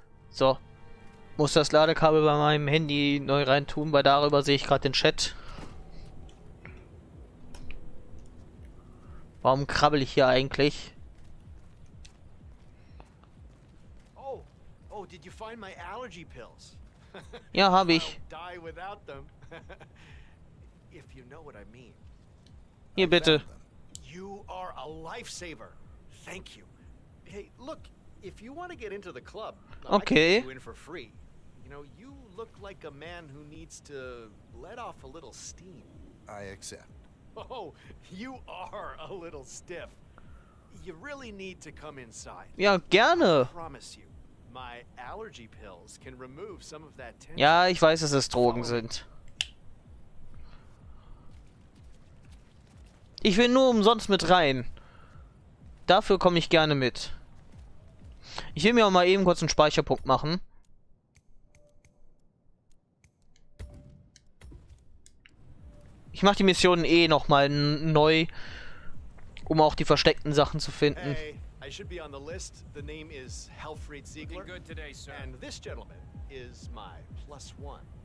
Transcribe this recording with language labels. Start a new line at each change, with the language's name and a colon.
German: So. Muss das Ladekabel bei meinem Handy neu reintun, weil darüber sehe ich gerade den Chat. Warum krabbel ich hier eigentlich?
English: Oh, oh, did you find my allergy pills?
German: Ja, habe ich.
English: Die without them. If you know what I mean.
German: Hier bitte.
English: You are a lifesaver. Thank you. Hey, look, if you want to get into the club, okay. I can get you in for free. You know, you look like a man who needs to let off a little steam. I accept. Oh, you are a little stiff. You really need to come inside.
German: Ja, gerne.
English: I promise you, my allergy pills can remove some of that tension.
German: Ja, ich weiß, dass es Drogen sind. Ich will nur umsonst mit rein. Dafür komme ich gerne mit. Ich will mir auch mal eben kurz einen Speicherpunkt machen. Ich mache die Mission eh nochmal neu, um auch die versteckten Sachen zu finden.
English: Hey, I should be on the list. The name is Helfried Ziegler. Looking good today, sir. And this gentleman is my plus one.